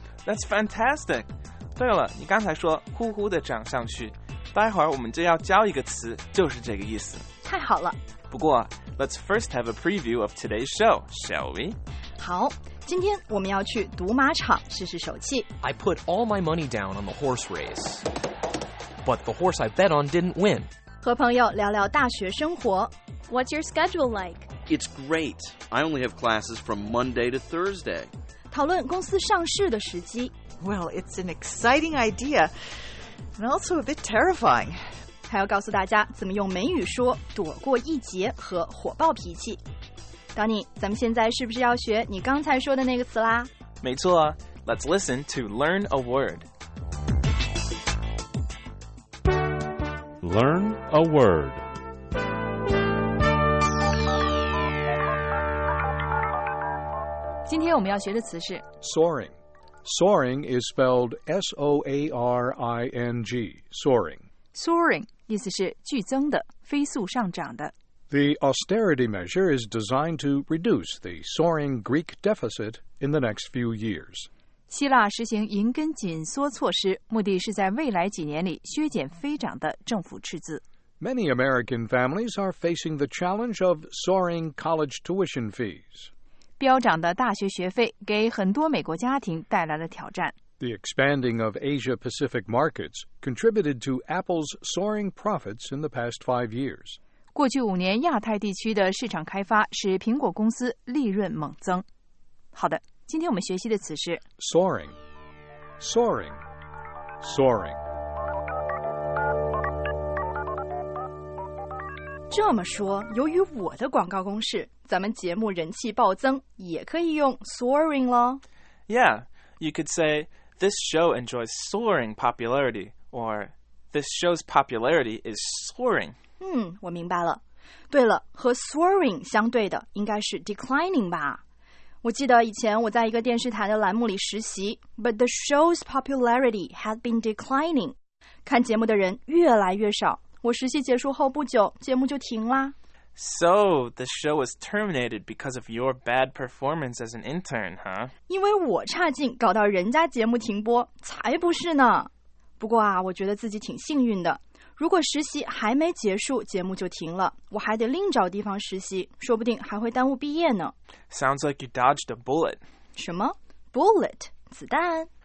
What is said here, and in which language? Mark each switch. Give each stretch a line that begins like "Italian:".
English: That's fantastic。
Chinese: 对了，你刚才说呼呼的涨上去，待会儿我们就要教一个词，就是这个意思。太好了。不过
English: ，Let's first have a preview of today's show, shall we?
Chinese: 好，今天我们要去赌马场试试手气。
English: I put all my money down on the horse race, but the horse I bet on didn't win.
Chinese: 和朋友聊聊大学生活。
English: What's your schedule like? It's great. I only have classes from Monday to Thursday.
Chinese: 讨论公司上市的时机。
English: Well, it's an exciting idea, and also a bit terrifying.
Chinese: 还要告诉大家怎么用美语说躲过一劫和火爆脾气。 Donny， 咱们现在是不是要学你刚才说的那个词啦？没错，
English: Let's listen to learn a word. Learn a word. Soaring. Soaring is spelled S-O-A-R-I-N-G. Soaring. Soaring.
Chinese: 意思是剧增的，飞速上涨的。
English: The austerity measure is designed to reduce the soaring Greek deficit in the next few years.
Chinese: 希腊实行银根紧缩措施，目的是在未来几年里削减飞涨的政府赤字。
English: Many American families are facing the challenge of soaring college tuition fees.
Chinese: 飙涨的大学学费给很多美国家庭带来了挑战。
English: The expanding of Asia-Pacific markets contributed to Apple's soaring profits in the past 5 years.
Chinese: 过去五年亚太地区的市场开发使苹果公司利润猛增。好的，今天我们学习的词是
English: soaring, soaring, soaring.
Chinese: 这么说，由于我的广告公式，咱们节目人气暴增，也可以用 soaring 咯。
English: Yeah, you could say... This show enjoys soaring popularity, or this show's popularity is soaring.
Chinese: 我明白了。对了，和 soaring 相对的应该是 declining 吧。我记得以前我在一个电视台的栏目里实习 ,
English: but the show's popularity had been declining.
Chinese: 看节目的人越来越少，我实习结束后不久，节目就停啦。
English: So, the show was terminated because of your bad performance as an intern, huh?
Chinese: 因为我差劲搞到人家节目停播，才不是呢。不过啊，我觉得自己挺幸运的。如果实习还没结束，节目就停了，我还得另找地方实习，说不定还会耽误毕业呢。
English: Sounds like you dodged a bullet.
Chinese: 什么?Bullet? 子弹?